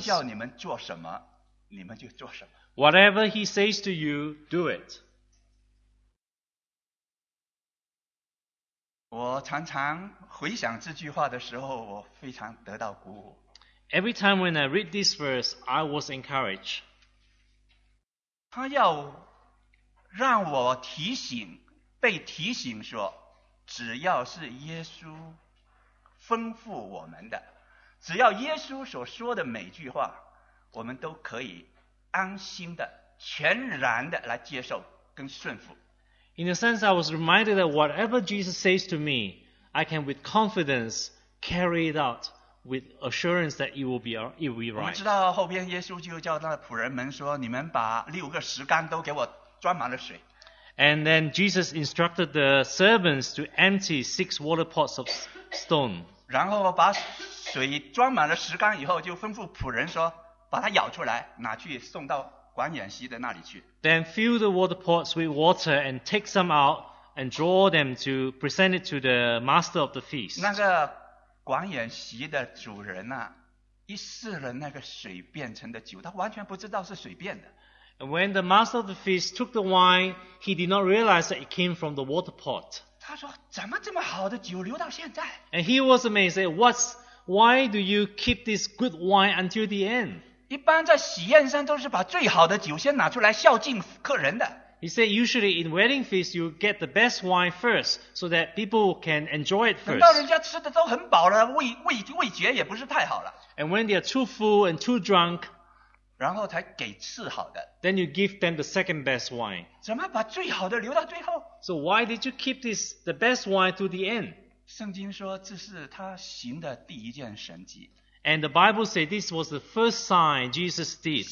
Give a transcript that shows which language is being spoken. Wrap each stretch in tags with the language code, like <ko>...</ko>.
<zh>他叫你们做什么，你们就做什么。</zh> <en>Whatever he says to you, do it.</en> <zh>我常常回想这句话的时候，我非常得到鼓舞。</zh> <en>Every time when I read this verse, I was encouraged.</en> <zh>他要让我提醒，被提醒说，只要是耶稣吩咐我们的，只要耶稣所说的每句话，我们都可以安心的、全然的来接受跟顺服。</zh> <en>In a sense, I was reminded that whatever Jesus says to me, I can with confidence carry it out with assurance that it will be right.</en> <zh>我知道后边耶稣就叫那仆人们说：“你们把六个石缸都给我装满了水。”</zh> <en>And then Jesus instructed the servants to empty 6 water pots of stone.</en> <zh>然后把水装满了石缸以后，就吩咐仆人说，把它舀出来，拿去送到管筵席的那里去。</zh> <en>Then fill the water pots with water and take some out and draw them to present it to the master of the feast.</en> <zh>那个管筵席的主人呢、啊，一试了那个水变成的酒，他完全不知道是水变的。</zh> <en>And when the master of the feast took the wine, he did not realize that it came from the water pot.</en> <zh>他说怎么这么好的酒留到现在？</zh> <en>And he was amazed. Why do you keep this good wine until the end?</en> <zh>一般在喜宴上都是把最好的酒先拿出来孝敬客人的。</zh> <en>He said usually in wedding feast you get the best wine first so that people can enjoy it first.</en> <zh>等到人家吃的都很饱了， 味觉也不是太好了。</zh> <en>And when they are too full and too drunk,</en> <zh>然后才给次好的。</zh> <en>Then you give them the second best wine.</en> <zh>怎么把最好的留到最后？</zh> <en>So why did you keep this the best wine to the end?</en> <zh>圣经说这是他行的第一件神迹。</zh> <en>And the Bible said this was the first sign Jesus did.</en>